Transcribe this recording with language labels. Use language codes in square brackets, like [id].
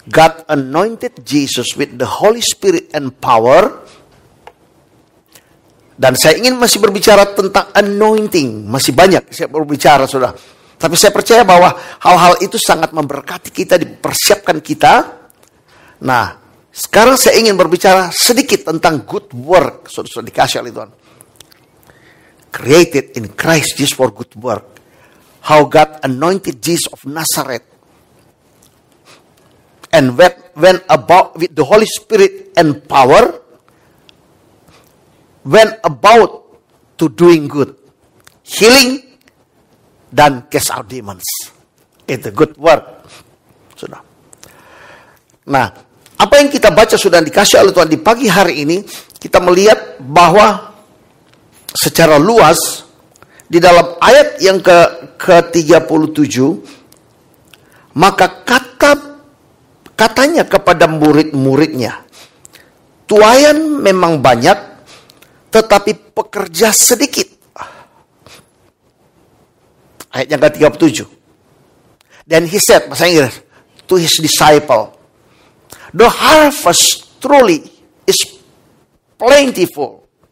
[en] God anointed Jesus with the Holy Spirit and power. [id] Dan saya ingin masih berbicara tentang anointing. Masih banyak saya berbicara, sudah. Tapi saya percaya bahwa hal-hal itu sangat memberkati kita, dipersiapkan kita. Nah, sekarang saya ingin berbicara sedikit tentang good work. Sudah dikasih oleh Tuhan. [en] Created in Christ Jesus for good work. How God anointed Jesus of Nazareth. And when about with the Holy Spirit and power, when about to doing good, healing, dan cast out demons. It's a good work. Sudah. [id] Nah, apa yang kita baca sudah dikasih oleh Tuhan di pagi hari ini, kita melihat bahwa secara luas, di dalam ayat yang ke-37, maka katanya kepada murid-muridnya, tuayan memang banyak, tetapi pekerja sedikit. Ayat yang ke-37. [en] Then he said, [id] bahasa Inggris, [en] to his disciple, the harvest truly is plentiful.